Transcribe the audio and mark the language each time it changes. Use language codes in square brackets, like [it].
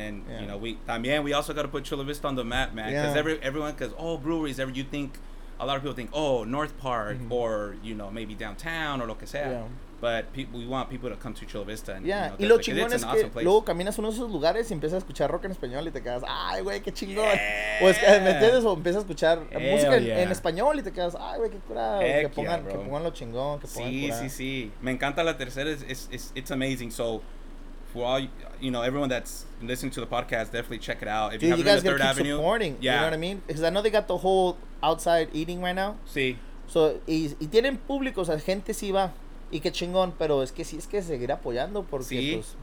[en] And you know, we also got to put Chula Vista on the map, man. Because breweries, you think, a lot of people think, oh, North Park, mm-hmm. or you know, maybe downtown or [es] lo que sea. [en] Yeah. But we want people to come to Chula Vista. And, [es] Y lo chingón es awesome que place. Luego caminas uno de esos lugares y empiezas a escuchar rock en español y te quedas, ay, güey, qué chingón. [en] Yeah. [es] O es que, ¿me entiendes? O empiezas a escuchar música en español y te quedas, ay, güey, qué curado. Que pongan lo chingón. Sí. Me encanta la tercera. [en] It's amazing. [es] So. [en] For all you know, everyone that's listening to the podcast, definitely check it out. If you haven't been to Third Avenue, supporting, yeah, you know what I mean? Because I know they got the whole outside eating right now. [es] Sí. So y tienen público, o sea, gente sí va y qué chingón, pero es que sí es que seguir apoyando porque